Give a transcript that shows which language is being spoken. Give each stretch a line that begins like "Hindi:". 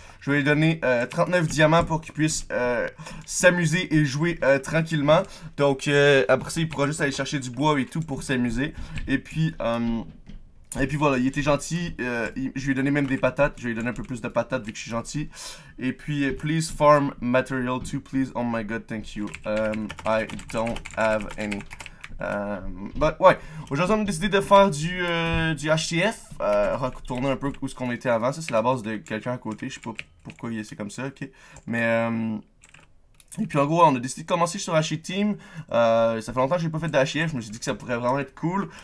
French: Je vais lui donner 39 diamants pour qu'il puisse s'amuser et jouer tranquillement. Donc après ça il pourra juste aller chercher du bois et tout pour s'amuser. Et puis voilà, il était gentil, je lui ai donné même des patates, je lui ai donné un peu plus de patates vu que je suis gentil. Et puis,
English: please farm material too, please, oh my god, thank you, I don't have any.
French: But ouais, aujourd'hui on a décidé de faire du HTF, retourner un peu où ce qu'on était avant, ça c'est la base de quelqu'un à côté, je sais pas pourquoi il est comme ça, ok. Mais, et puis en gros, on a décidé de commencer sur HT Team. Ça fait longtemps que j'ai pas fait de HF, je me suis dit que ça pourrait vraiment être cool.